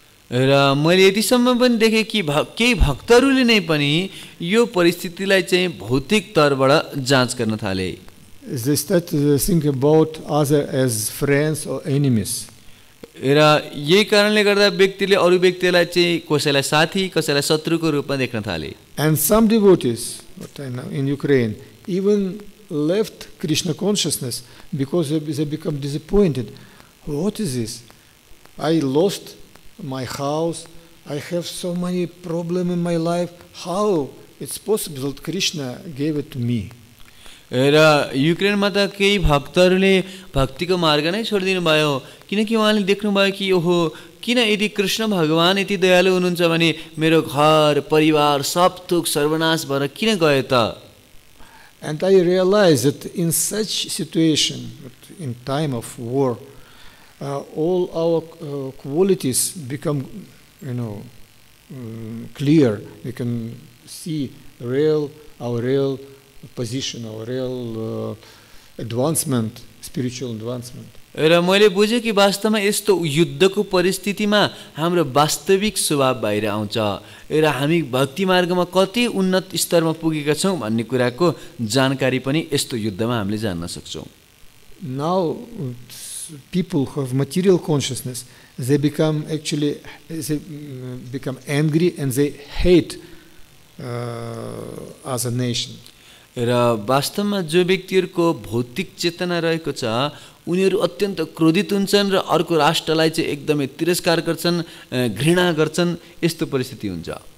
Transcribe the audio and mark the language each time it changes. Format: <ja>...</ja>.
<ne>र मैले यतिसम्म पनि देखे कि केही भक्तहरूले नै पनि यो परिस्थितिलाई चाहिँ भौतिक तर्फबाट जाँच गर्न थाले.</ne> <en>They start to think about others as friends or enemies.</en> <ne>र यही कारणले गर्दा व्यक्तिले अरू व्यक्तिलाई चाहिँ कसैलाई साथी कसैलाई शत्रुको रूपमा देख्न थाले.</ne> <en>And some devotees in Ukraine even left Krishna consciousness because they become disappointed. What is this? I lost my house. I have so many problems in my life. How it's possible that Krishna gave it to me?</en> <ne>र युक्रेनमा त केही भक्तहरूले भक्तिको मार्ग नै छोडिदिनु भयो किनकि उहाँले देख्नुभयो कि ओहो किन यदि कृष्ण भगवान् यति दयालु हुनुहुन्छ भने मेरो घर परिवार सब थुक सर्वनाश भएर किन गयो त.</ne> <en>And I realized that in such situation, in time of war, all our qualities become, you know, clear. We can see our real position, our real advancement, spiritual advancement.</en> <ne>र मैले बुझेँ कि वास्तवमा यस्तो युद्धको परिस्थितिमा हाम्रो वास्तविक स्वभाव बाहिर आउँछ र हामी भक्ति मार्गमा कति उन्नत स्तरमा पुगेका छौँ भन्ने कुराको जानकारी पनि यस्तो युद्धमा हामीले जान्न सक्छौँ.</ne> <en>Now people who have material consciousness, they become actually, they become angry and they hate as a nation.</en> <ne>र वास्तवमा जो व्यक्तिहरूको भौतिक चेतना रहेको छ उनीहरू अत्यन्त क्रोधित हुन्छन् र अर्को राष्ट्रलाई चाहिँ एकदमै तिरस्कार गर्छन् घृणा गर्छन् यस्तो परिस्थिति हुन्छ.</ne>